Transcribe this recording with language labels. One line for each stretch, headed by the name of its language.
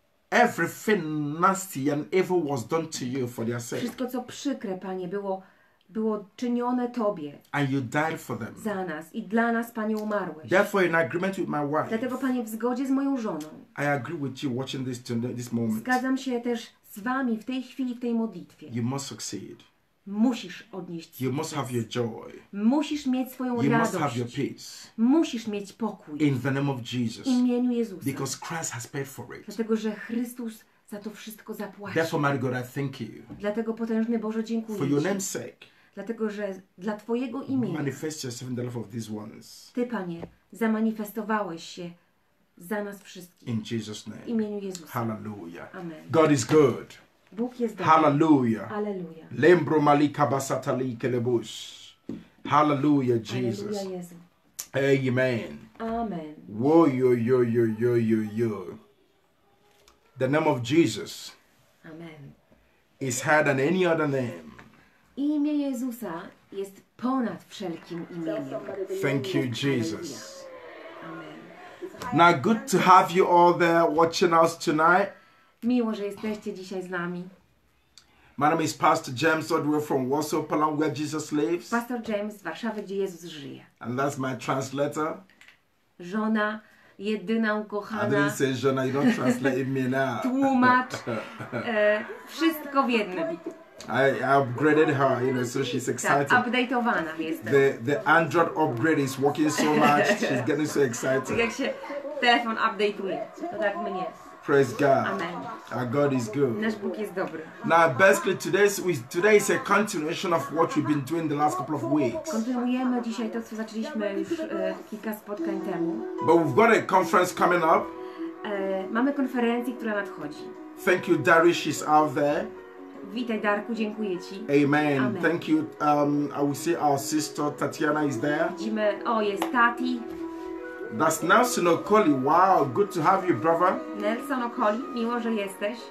English: Everything nasty and evil was done to you for their sake.
Polish: Wszystko, co przykre, Panie, było czynione Tobie.
English: And you died for them.
Polish: Za nas i dla nas, Panie, umarłeś.
English: Therefore, in agreement with my wife.
Polish: Dlatego, Panie, w zgodzie z moją żoną.
English: I agree with you watching this moment.
Polish: Zgadzam się też z Wami w tej chwili, w tej modlitwie.
English: You must succeed.
Polish: Musisz odnieść sukces.
English: You must have your joy.
Polish: Musisz mieć swoją
English: you
Polish: radość.
English: You must have your peace.
Polish: Musisz mieć pokój.
English: In the name of Jesus.
Polish: W imieniu Jezusa.
English: Because Christ has paid for it.
Polish: Dlatego, że Chrystus za to wszystko zapłacił.
English: Therefore, my God, I thank you.
Polish: Dlatego, potężny Boże, dziękuję
English: for your name's sake.
Polish: Dlatego, że dla Twojego imienia.
English: Manifest yourself in the life of these ones.
Polish: Ty, Panie, zamanifestowałeś się za nas wszystkich.
English: In Jesus' name. W imieniu Jezusa. Hallelujah. Amen. God is good.
Polish: Bóg jest dobry.
English: Hallelujah. Hallelujah. Lembro malika basatali kelebush. Hallelujah, Jesus. Hallelujah, Jesus. Amen. Amen. Wo-yo-yo-yo-yo-yo-yo. The name of Jesus. Amen. Is higher than any other name.
Polish: Imię Jezusa jest ponad wszelkim imieniem.
English: Thank you, Jesus. Amen. Now, good to have you all there watching us tonight.
Polish: Miło, że jesteście dzisiaj z nami.
English: My name is Pastor James Odwe from Warsaw, Poland, where Jesus lives.
Polish: Pastor James z Warszawy, gdzie Jezus żyje.
English: And that's my translator.
Polish: Żona, jedyna ukochana.
English: I didn't say żona, you don't translate me now.
Polish: Tłumacz. Wszystko w jednym.
English: I upgraded her, you know, so she's excited.
Polish: Tak, updateowana jest.
English: The Android upgrade is working so much, she's getting so excited.
Polish: Jak się telefon update'uje, to tak mnie.
English: Praise God. Amen. Our God is good.
Polish: Nasz Bóg jest dobry.
English: Now, basically, today is a continuation of what we've been doing the last couple of weeks.
Polish: Kontynuujemy dzisiaj to, co zaczęliśmy już kilka spotkań temu.
English: But we've got a conference coming up.
Polish: Mamy konferencję, która nadchodzi.
English: Thank you, Darius is out there.
Polish: Witaj, Darku, dziękuję Ci.
English: Amen. Thank you. I will see our sister Tatiana is there.
Polish: Widzimy, o, jest Tati.
English: That's Nelson Okoli. Wow, good to have you, brother.
Polish: Nelson Okoli, miło, że jesteś.